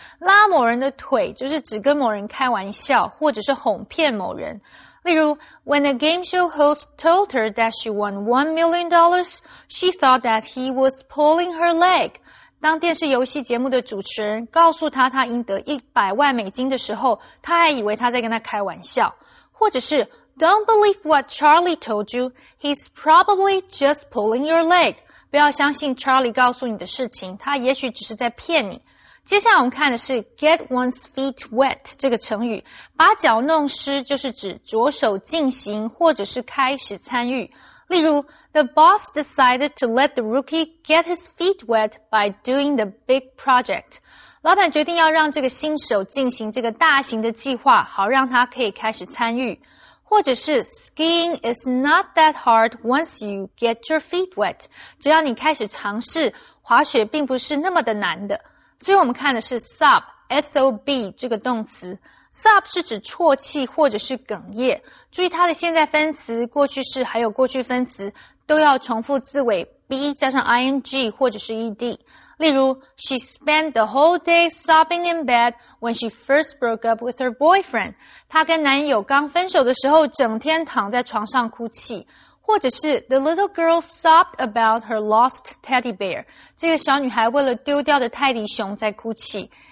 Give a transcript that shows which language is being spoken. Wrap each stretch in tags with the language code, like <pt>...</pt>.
<zh>拉某人的腿就是指跟某人开玩笑或者是哄骗某人。例如</zh> <en>,when a game show host told her that she won $1 million, she thought that he was pulling her leg.</en> <zh>当电视游戏节目的主持人告诉她她赢得100万美金的时候，她还以为她在跟她开玩笑。或者是</zh> <en>,don't believe what Charlie told you, he's probably just pulling your leg.</en> <zh>不要相信 Charlie 告诉你的事情，他也许只是在骗你。接下来我们看的是</zh> <en>get one's feet wet</en> <zh>这个成语，把脚弄湿就是指着手进行或者是开始参与。</zh> <en>例如 ,the boss decided to let the rookie get his feet wet by doing the big project.</en> <zh>老板决定要让这个新手进行这个大型的计划，好让他可以开始参与。或者是</zh> <en>skiing is not that hard once you get your feet wet.</en> <zh>只要你开始尝试，滑雪并不是那么的难的。最后我们看的是 sob, S-O-B 这个动词。 sob 是指啜泣或者是哽咽。注意它的现在分词、过去式还有过去分词都要重复字尾 b 加上 ing 或者是 ed。例如</zh> <en>,she spent the whole day sobbing in bed when she first broke up with her boyfriend.</en> <zh>她跟男友刚分手的时候整天躺在床上哭泣。或者是</zh> <en>,the little girl sobbed about her lost teddy bear.</en> <zh>这个小女孩为了丢掉的泰迪熊在哭泣。</zh>